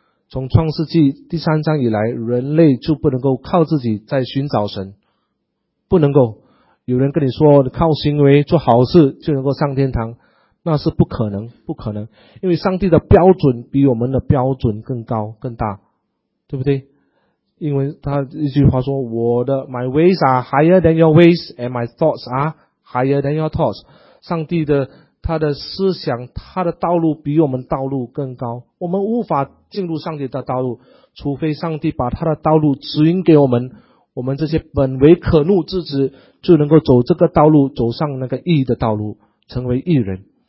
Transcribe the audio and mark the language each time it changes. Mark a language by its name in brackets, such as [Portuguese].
[Chinese] 从创世纪第三章以来，人类就不能够靠自己在寻找神，不能够。有人跟你说靠行为做好事就能够上天堂，那是不可能，不可能，因为上帝的标准比我们的标准更高更大，对不对？因为他一句话说，我的 [English] my ways are higher than your ways and my thoughts are higher than your thoughts。 [Chinese] 上帝的他的思想他的道路比我们道路更高，我们无法进入上帝的道路，除非上帝把他的道路指引给我们，我们这些本为可怒之子就能够走这个道路，走上那个义的道路，成为义人。